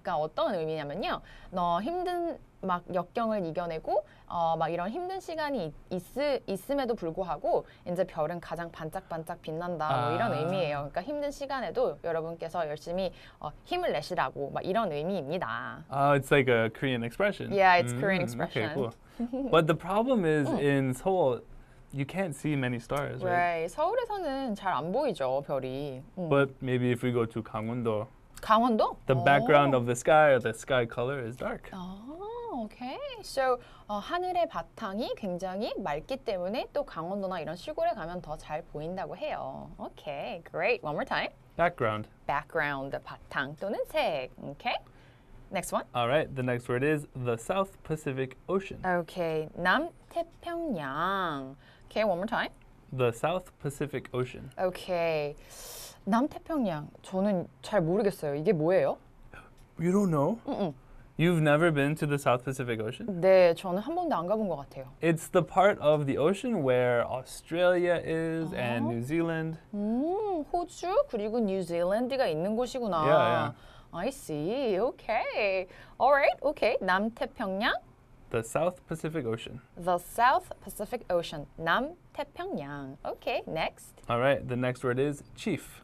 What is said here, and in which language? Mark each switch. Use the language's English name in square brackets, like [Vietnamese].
[Korean] 그러니까 어떤 의미냐면요. 너 힘든 막 역경을 이겨내고 막 이런 힘든 시간이 있음에도 불구하고 이제 별은 가장 반짝반짝 빛난다. 뭐 이런 의미예요. 그러니까 힘든 시간에도 여러분께서 열심히 힘을 내시라고 막 이런 의미입니다. [English] It's like a Korean expression. Yeah, it's Korean expression. Okay, cool. But the problem is in Seoul, you can't see many stars, right? [Korean] 서울에서는 잘 안 보이죠, 별이. [English] But maybe if we go to 강원도. [Korean] 강원도? [English] The background of the sky or the sky color is dark. [Korean] Okay, so 하늘의 바탕이 굉장히 맑기 때문에 또 강원도나 이런 시골에 가면 더 잘 보인다고 해요. [English] Okay, great. One more time. Background. Background, [Korean] 바탕 또는 색. [English] Okay. Next one. All right, the next word is the South Pacific Ocean. Okay, 남태평양. Okay, one more time. The South Pacific Ocean. [Korean] Okay, 남태평양. 저는 잘 모르겠어요. 이게 뭐예요? [English] You don't know? You've never been to the South Pacific Ocean? [Korean] 네, 저는 한 번도 안 가본 것 같아요. [English] It's the part of the ocean where Australia is and New Zealand. [Korean] 호주 그리고 뉴질랜드가 있는 곳이구나. [English] Yeah, yeah. I see. Okay. All right. Okay. 남태평양. The South Pacific Ocean. The South Pacific Ocean. 남태평양. Okay. Next. All right. The next word is chief.